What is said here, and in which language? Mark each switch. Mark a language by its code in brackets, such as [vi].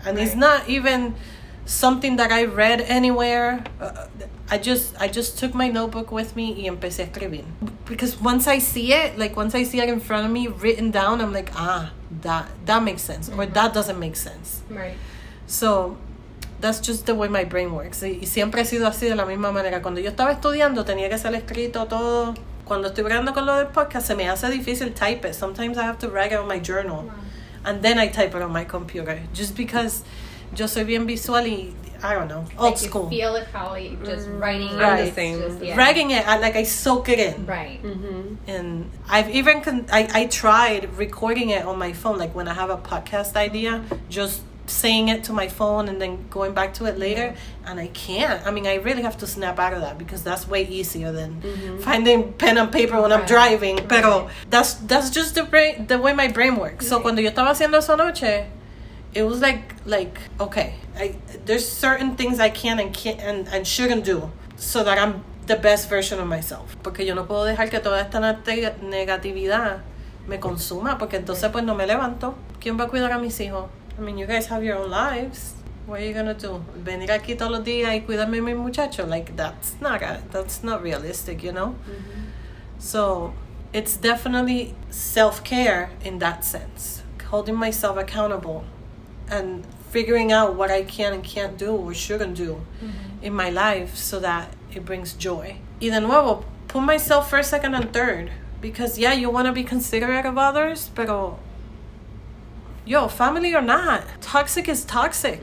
[en] And right. It's not even something that I read anywhere. I just took my notebook with me y empecé a escribir. Because once I see it, like once I see it in front of me written down, I'm like, ah, that makes sense. Mm-hmm. Or that doesn't make sense. Right. So that's just the way my brain works. [es] Y siempre he sido así de la misma manera. Cuando yo estaba estudiando, tenía que ser escrito todo. Cuando estoy grabando con lo del podcast, se me hace difícil type it. [en] Sometimes I have to write it on my journal. Wow. And then I type it on my computer. Just because yo soy bien visual y I don't know. Old like school. You feel it how you just writing right. It. Yeah. Writing it, I soak it in. Right. Mm-hmm. And I've even, I tried recording it on my phone, like when I have a podcast idea, just saying it to my phone and then going back to it later. Yeah. And I can't. I mean, I really have to snap out of that because that's way easier than finding pen and paper when right. I'm driving. Right. Pero that's just the way my brain works. Right. So cuando yo estaba haciendo eso anoche, it was like okay, there's certain things I can't and shouldn't do so that I'm the best version of myself. [es] Porque yo no puedo dejar que toda esta negatividad me consuma, porque entonces pues no me levanto. [en] ¿Quién va a cuidar a mis hijos? I mean, you guys have your own lives. What are you gonna do? [es] Venir aquí todos los días y cuidarme a mi muchacho? [en] Like, that's not realistic, you know? Mm-hmm. So, it's definitely self-care in that sense. Holding myself accountable. And figuring out what I can and can't do or shouldn't do in my life so that it brings joy. Y de nuevo, put myself first, second, and third. Because, yeah, you want to be considerate of others, pero, yo, family or not, toxic is toxic.